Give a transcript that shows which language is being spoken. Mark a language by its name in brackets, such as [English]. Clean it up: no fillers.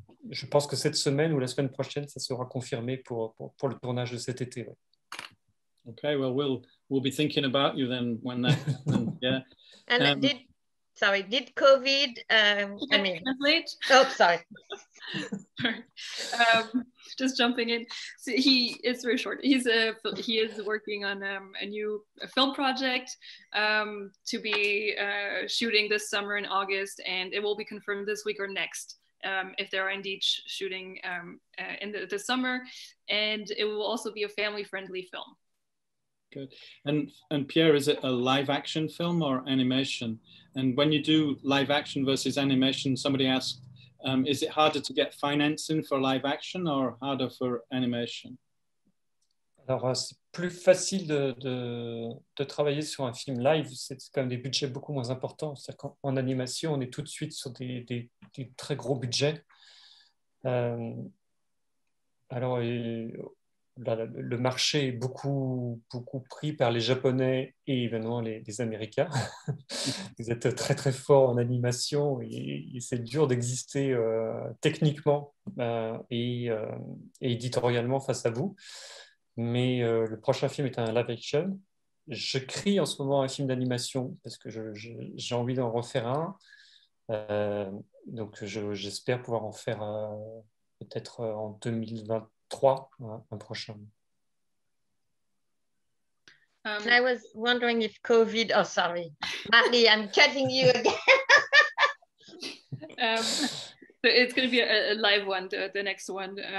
[French] Je pense que cette semaine ou la semaine prochaine, ça sera confirmé pour le tournage de cet été. Ouais. [English] Okay, well, we'll be thinking about you then when that. Yeah. And did COVID? Translate? Oh, sorry. Just jumping in. So he is very short. He is working on a new film project to be shooting this summer in August, and it will be confirmed this week or next. if they are indeed shooting in the summer, and it will also be a family-friendly film. Good. And Pierre, is it a live-action film or animation? And when you do live-action versus animation, somebody asked, is it harder to get financing for live-action or harder for animation? [French] Alors, c'est plus facile de travailler sur un film live. C'est quand même des budgets beaucoup moins importants. C'est-à-dire qu'en animation, on est tout de suite sur des très gros budgets. Alors, le marché est beaucoup, beaucoup pris par les Japonais et évidemment les Américains. Ils sont très, très forts en animation et c'est dur d'exister techniquement et éditorialement face à vous. Mais le prochain film est un live action. Je crée en ce moment un film d'animation parce que j'ai envie d'en refaire un. Donc j'espère pouvoir en faire peut-être en 2023, un prochain. [English] I was wondering if COVID... Oh, sorry. Marie, I'm cutting you again. So it's going to be a live one, the next one.